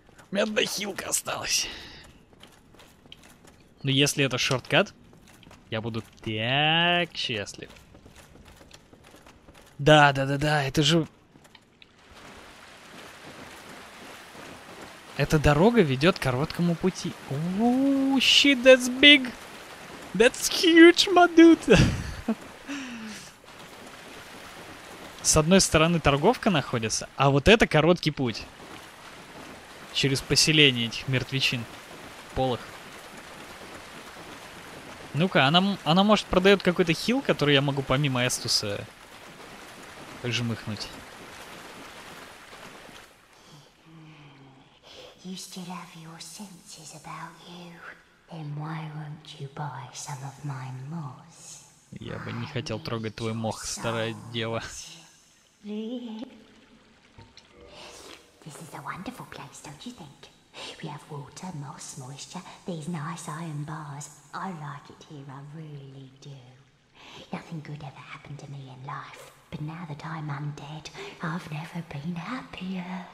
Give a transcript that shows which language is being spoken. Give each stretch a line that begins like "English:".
Russian: У меня одна хилка осталась. Но если это шорткат... я буду так счастлив. Да, да, да, да, это же... эта дорога ведет к короткому пути.
English: Ууу, shit, that's big. That's huge, my dude.
Russian: С одной стороны торговка находится, а вот это короткий путь. Через поселение этих мертвечин. Полых. Ну-ка, она может продает какой-то хил, который я могу помимо Эстуса жмыхнуть.
English: used to have your senses about you. Then why won't you buy some of my moss?
Russian: Я бы не хотел трогать твой мох, старая дева.
English: This is a wonderful place, don't you think? We have water, moss, moisture, these nice iron bars. I like it here, I really do. Nothing good ever happened to me in life. But now that I'm undead, I've never been happier.